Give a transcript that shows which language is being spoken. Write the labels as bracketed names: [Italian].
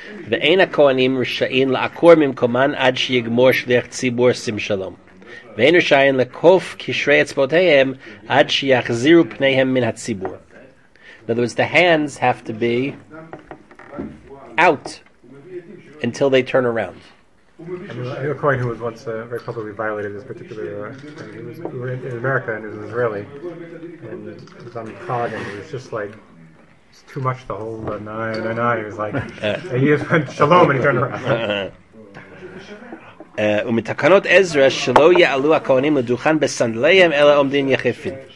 [Hebrew] ואין הכהנים רשאים לעקור ממקומן עד שיגמור שליח ציבור שים שלום. ואין רשאים לקוף קשרי אצבעותיהם עד שיחזירו פניהם מן הציבור. [English] In other words, the hands have to be out until they turn around. I mean, a coin who was once very publicly violated this particular he was in America and he was an Israeli and he was on the cog and he was just like, it's too much the whole nine. He was like, and he just went shalom and he turned around. [Hebrew] ומתקנות עזרא שלא יעלו הכהנים לדוכן בסנדליהם אלא עומדים יחפים.